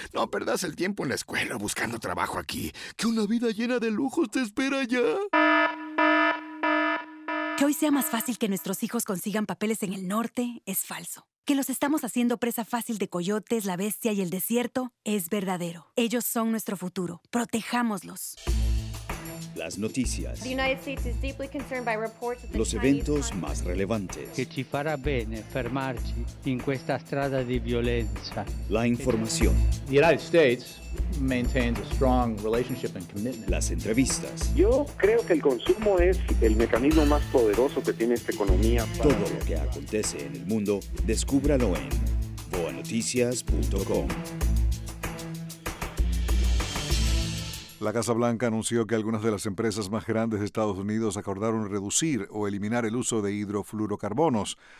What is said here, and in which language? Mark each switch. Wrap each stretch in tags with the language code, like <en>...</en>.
<es>No perdás el tiempo en la escuela buscando trabajo aquí. Que una vida llena de lujos te espera allá. Que hoy sea más fácil que nuestros hijos consigan papeles en el norte es falso. Que los estamos haciendo presa fácil de coyotes, la bestia y el desierto es verdadero. Ellos son nuestro futuro. Protejámoslos. Las noticias.</es> <en>The United States is deeply concerned by reports of the</en> <es>los eventos más relevantes.</es> <it>Que ci farà bene fermarci in questa strada di violenza.</it> <es>La información.</es> <en>The United States maintains a strong relationship and commitment.</en> <es>Las entrevistas. Yo creo que el consumo es el mecanismo más poderoso que tiene esta economía. Todo lo que acontece en el mundo, descúbralo en voanoticias.com. La Casa Blanca anunció que algunas de las empresas más grandes de Estados Unidos acordaron reducir o eliminar el uso de hidrofluorocarbonos.</es>